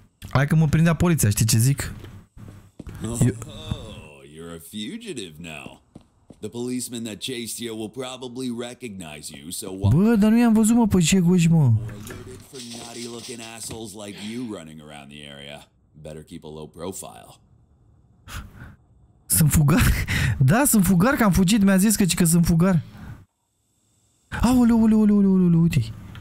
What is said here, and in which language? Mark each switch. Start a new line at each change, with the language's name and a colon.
Romanian: Hai că mă prindea poliția, știi ce zic?
English: Oh, you're a fugitive now. The policeman that chased you will probably recognize you, so why...
Romanian: Bă, dar nu i-am văzut, mă, pe ce guși, mă.
English: ...for naughty-looking assholes like you running around the area. Better keep a low profile.
Romanian: Sunt fugar? Da, sunt fugar, că am fugit, mi-a zis că sunt fugar. Aoleu, aoleu, aoleu, aoleu, aoleu, uite.